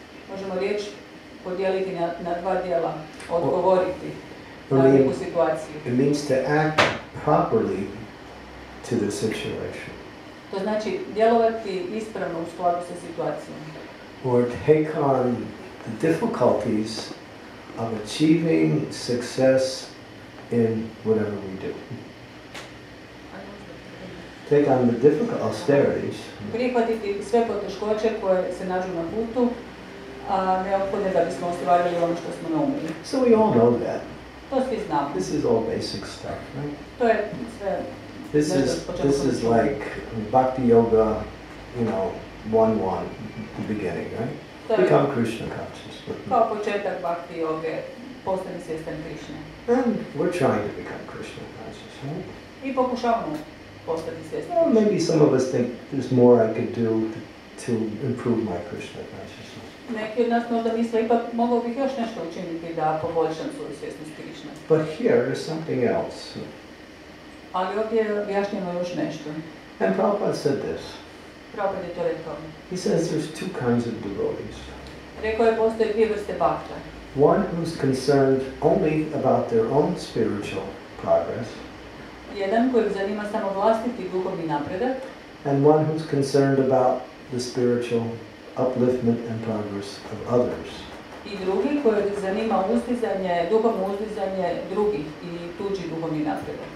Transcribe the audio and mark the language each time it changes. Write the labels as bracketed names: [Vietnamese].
[Croatian] Možemo riječ podijeliti na dva dijela, odgovoriti na neku situaciju. [English] It means to act properly to the situation. [Croatian] To znači djelovati ispravno u skladu sa situacijom. [English] Or take on the difficulties of achieving success in whatever we do. Take on the difficult austerities. [Croatian] Prihvatiti sve poteškoće koje se nađu na putu, a neophodne da bismo ostvarili ono što smo naumili. [English] So we all know that. [Croatian] To svi znamo. [English] This is all basic stuff, right? [Croatian] To je sve. [English] This is like bhakti yoga, you know, 1-1, the beginning, right? Become Krishna conscious. [Croatian] Kao početak bhakti yoga, postani svjestan Krishna. [English] And we're trying to become Krishna conscious, right? [Croatian] I pokušavamo. [English] Well, maybe some of us think there's more I could do to improve my Krishna consciousness. [Croatian] Neki od nas možda misle ipak mogao bih još nešto učiniti da poboljšam svoju svjesnost Krishna. [English] But here is something else. [Croatian] Ali ovdje objašnjeno još nešto. [English] And Prabhupada said this. [Croatian] Prabhupada je to rekao. [English] He says there's two kinds of devotees. [Croatian] Rekao je postoje dvije vrste bhakta. [English] One who's concerned only about their own spiritual progress. [Croatian] Jedan koji zanima samo vlastiti duhovni napredak. [English] And one who's concerned about the spiritual upliftment and progress of others. [Croatian] I drugi koji zanima uzdizanje, duhovno uzdizanje drugih i tuđi duhovni napredak.